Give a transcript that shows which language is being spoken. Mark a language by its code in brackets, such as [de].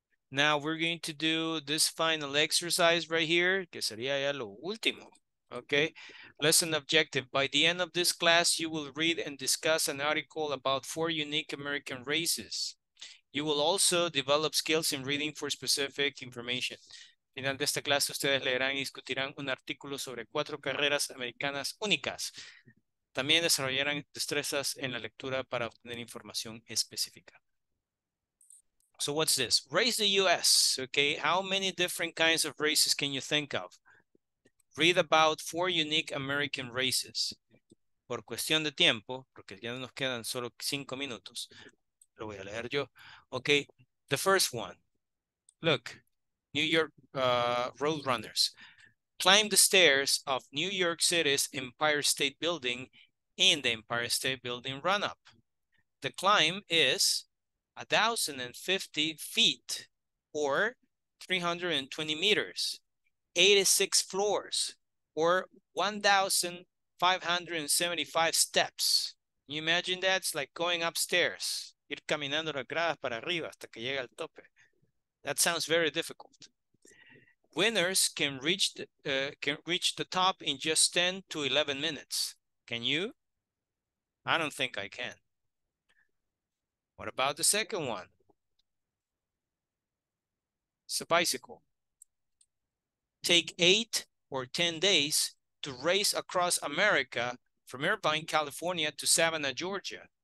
[en] Now we're going to do this final exercise right here. [es] Que sería ya lo último. [en] Okay. Lesson objective. By the end of this class, you will read and discuss an article about four unique American races. You will also develop skills in reading for specific information. [es] Final de esta clase, ustedes leerán y discutirán un artículo sobre cuatro carreras americanas únicas. También desarrollarán destrezas en la lectura para obtener información específica. [en] So what's this? Race the US, okay? How many different kinds of races can you think of? Read about four unique American races. [es] Por cuestión de tiempo, porque ya nos quedan solo 5 minutos, lo voy a leer yo. [en] Okay, the first one. Look, New York Roadrunners. Climb the stairs of New York City's Empire State Building in the Empire State Building run-up. The climb is 1,050 feet or 320 meters, 86 floors or 1,575 steps. Can you imagine that? It's like going upstairs. [es] Ir caminando las gradas para arriba hasta que llegue al tope. [en] That sounds very difficult. Winners can reach the top in just 10 to 11 minutes. Can you? I don't think I can. What about the second one? It's a bicycle. Take 8 or 10 days to race across America from Irvine, California to Savannah, Georgia.